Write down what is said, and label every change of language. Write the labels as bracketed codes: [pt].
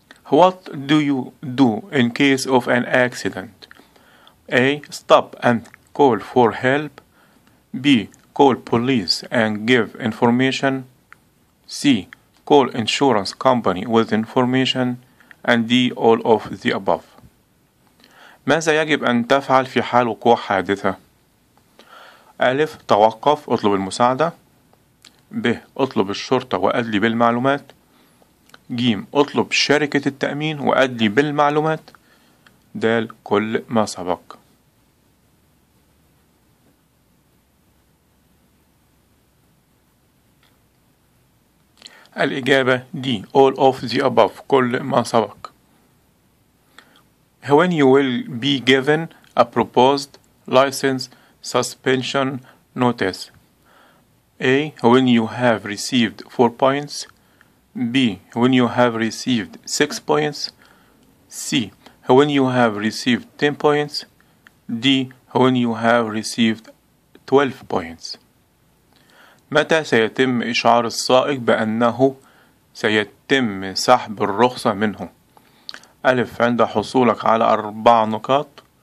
[en] What do you do in case of an accident? A. Stop and call for help. B. Call police and give information. C. Call insurance company with information. And D. All of the above. [ar] ماذا يجب أن تفعل في حال وقوع حادثة؟ أ. توقف اطلب المساعدة. ب. اطلب الشرطة وأدلي بالمعلومات. ج. اطلب شركة التأمين وأدلي بالمعلومات. د. كل ما سبق. الإجابة [en] D. All of the above. [ar] كل ما سبق. [en] When you will be given a proposed license suspension notice. A. When you have received 4 points. B. When you have received 6 points. C. When you have received 10 points. D. When you have received 12 points. [ar] متى سيتم إشعار السائق بأنه سيتم سحب الرخصة منه؟ ألف عند حصولك على 4 نقاط.